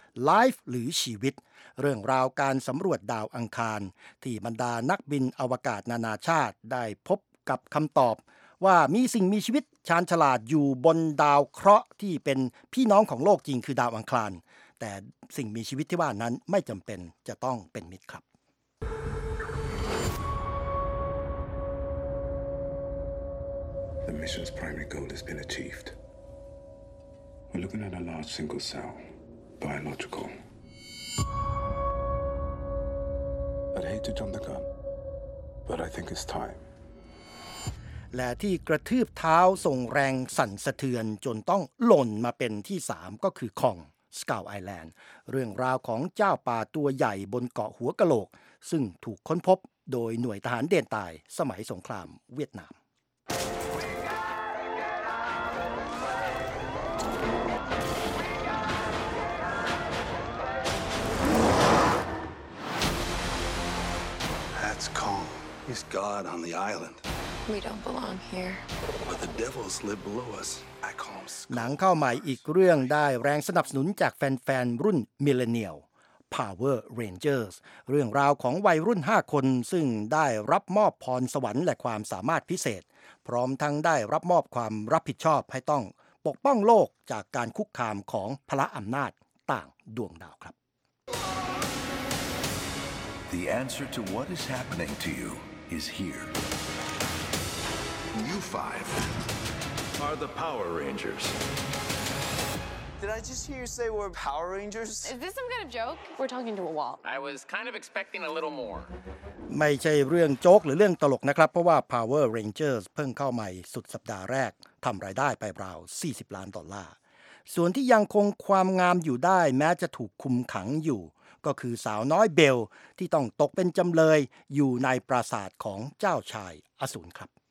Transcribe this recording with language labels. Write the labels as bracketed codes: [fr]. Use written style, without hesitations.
[th] Life หรือชีวิตเรื่องราวการสำรวจดาวอังคารที่บรรดานักบินอวกาศนานาชาติได้พบกับคำตอบว่ามีสิ่งมีชีวิตชาญฉลาดอยู่บนดาวเคราะห์ที่เป็นพี่น้องของโลกจริงคือดาวอังคารแต่สิ่งมีชีวิตที่ว่านั้นไม่จำเป็นจะต้องเป็นมิตรครับ [en] The mission's primary goal has been achieved. We're looking at a large single cell, biological. I'd hate to jump the gun, but I think it's time. [th] และที่กระทืบเท้าส่งแรงสั่นสะเทือนจนต้องหล่นมาเป็นที่3ก็คือคองสกาวไอแลนด์เรื่องราวของเจ้าป่าตัวใหญ่บนเกาะหัวกะโหลกซึ่งถูกค้นพบโดยหน่วยทหารเดนตายสมัยสงครามเวียดนาม [en] That's Kong. He's God on the islandWe don't belong here. But the devils live below us. I call them scum. [th] หนังเข้าใหม่อีกเรื่องได้แรงสนับสนุนจากแฟนๆรุ่นมิลเลนเนียล Power Rangers เรื่องราวของวัยรุ่น5คนซึ่งได้รับมอบพรสวรรค์และความสามารถพิเศษพร้อมทั้งได้รับมอบความรับผิดชอบให้ต้องปกป้องโลกจากการคุกคามของพละอำนาจต่างดวงดาวครับ [en] The answer to what is happening to you is hereYou five are the Power Rangers. Did I just hear you say we're Power Rangers? Is this some kind of joke? We're talking to a wall. I was kind of expecting a little more. [th] ไม่ใช่เรื่องโจ๊กหรือเรื่องตลกนะครับเพราะว่า Power Rangers เพิ่งเข้าใหม่สุดสัปดาห์แรกทำรายได้ไปราว40ล้านดอลลาร์ส่วนที่ยังคงความงามอยู่ได้แม้จะถูกคุมขังอยู่ก็คือสาวน้อยเบลที่ต้องตกเป็นจำเลยอยู่ในปราสาทของเจ้าชายอสูรครับ